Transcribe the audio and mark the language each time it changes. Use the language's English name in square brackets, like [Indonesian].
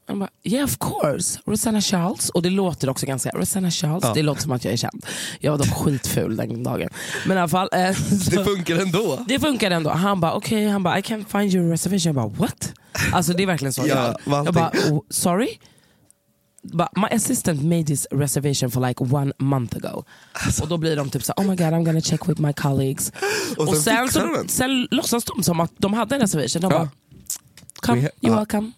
[Swedish] Jag bara, [English] yeah of course, [Swedish] Rosanna Charles. Och det låter också ganska, Rosanna Charles, det låter som att jag är känd. Jag var då skitful den dagen. Men i alla fall. Så, det funkar ändå. Det funkar ändå. Han bara, okej, okay. Han bara, [English] I can't find your reservation. [Swedish] Jag bara, what? Alltså det är verkligen så. Jag bara, [English] sorry? But my assistant made this reservation for like 1 month ago. [Swedish] Alltså. Och då blir de typ så, [English] oh my god, I'm gonna check with my colleagues. [Swedish] Och sen, sen låtsas de som att de hade en reservation. De bara, [English] come, you're welcome.